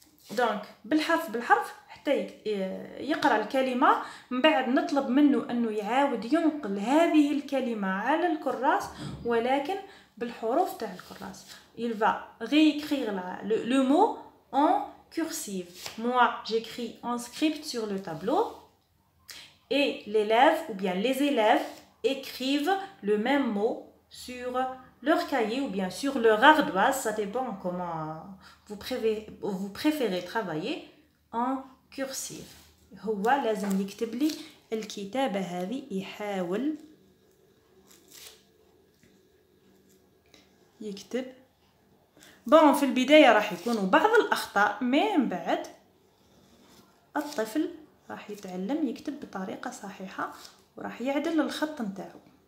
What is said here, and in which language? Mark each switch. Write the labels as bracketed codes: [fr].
[ar] دونك بالحرف بالحرف حتى يقرا الكلمه، من بعد نطلب منه انه يعاود ينقل هذه الكلمه على الكراس ولكن بالحروف تاع الكراس. [fr] il va réécrire la le mot en cursive. Moi, j'écris en script sur le tableau et l'élève ou bien les élèves écrivent le même mot sur leur cahier ou bien sur leur ardoise. Ça dépend comment vous préférez travailler en cursive. [ar] هو لازم يكتب لي الكتابة هذه يحاول يكتب بون في البداية راح يكونوا بعض الأخطاء من بعد الطفل راح يتعلم يكتب بطريقة صحيحة وراح يعدل الخط نتاعه